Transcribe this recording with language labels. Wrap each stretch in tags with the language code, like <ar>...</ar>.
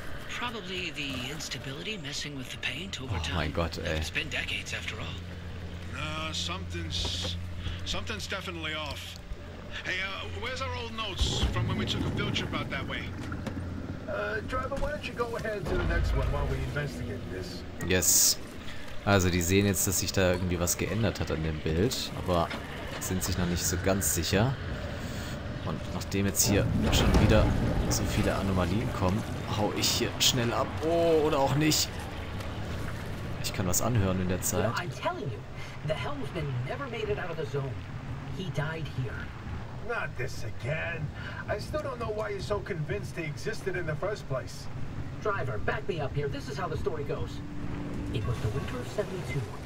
<en>Probably the instability messing with the paint over time.</en> <de>Oh mein Gott, ey.</de> <en>It's been decades after all. Something's definitely off. Hey, where's our old notes from when we took a field trip out that way? Driver, why don't you go ahead to the next one while we investigate this? Yes.</en> <de>Also, die sehen jetzt, dass sich da irgendwie was geändert hat an dem Bild, aber sind sich noch nicht so ganz sicher. Und nachdem jetzt hier schon wieder so viele Anomalien kommen, hau ich hier schnell ab. Oh, oder auch nicht. Ich kann was anhören in der Zeit.</de> <en>The helmsman never made it out of the zone. He died here. Not this again. I still don't know why you're so convinced he existed in the first place. Driver, back me up here. This is how the story goes. It was the winter of 72.</en>